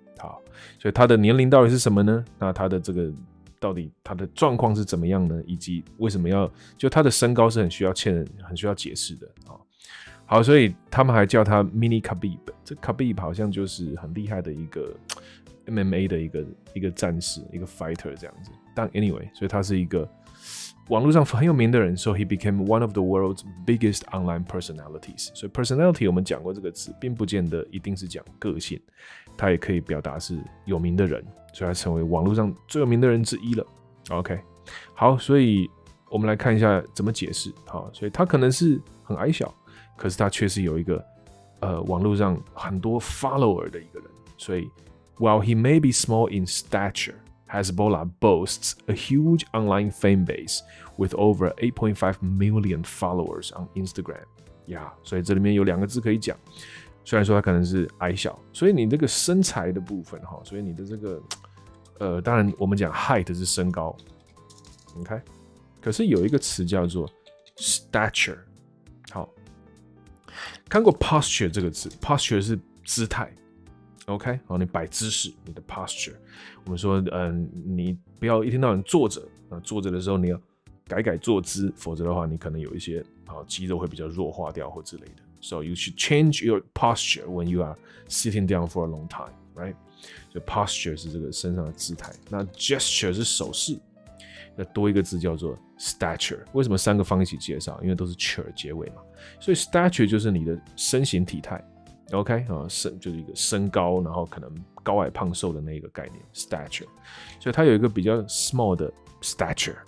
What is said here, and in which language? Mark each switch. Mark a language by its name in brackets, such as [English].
[Chinese] 好，所以他的年龄到底是什么呢？那他的这个到底他的状况是怎么样呢？以及为什么要就他的身高是很需要解释的啊。好，所以他们还叫他 Mini Khabib， 这 Khabib 好像就是很厉害的一个 MMA 的一个战士，一个 fighter 这样子。但 anyway， 所以他是一个网络上很有名的人， [English] so he became one of the world's biggest online personalities。 [Chinese] 所以 personality 我们讲过这个词，并不见得一定是讲个性，他也可以表达是有名的人，所以他成为网络上最有名的人之一了。 OK， 好，所以我们来看一下怎么解释。好，所以他可能是很矮小，可是他确实有一个网络上很多 follower 的一个人。所以 [English] while he may be small in statureHezbollah boasts a huge online fan base with over 8.5 million followers on Instagram. [Chinese] Yeah, 所以这里面有两个字可以讲。虽然说他可能是矮小，所以你这个身材的部分，所以你的这个当然我们讲 height 是身高。 OK， 可是有一个词叫做 stature。好，看过 posture 这个词 ，posture 是姿态。 OK， 好，你摆姿势，你的 posture。我们说，你不要一天到晚坐着。那坐着的时候，你要改改坐姿，否则的话，你可能有一些肌肉会比较弱化掉或之类的。 [English] So you should change your posture when you are sitting down for a long time, right? [Chinese] 所以 posture 是这个身上的姿态。那 gesture 是手势。那多一个字叫做 stature。为什么三个放一起介绍？因为都是 ture 结尾嘛。所以 stature 就是你的身形体态。OK， 就是一个身高，然后可能高矮胖瘦的那个概念 stature， 所以他有一个比较 small 的 stature。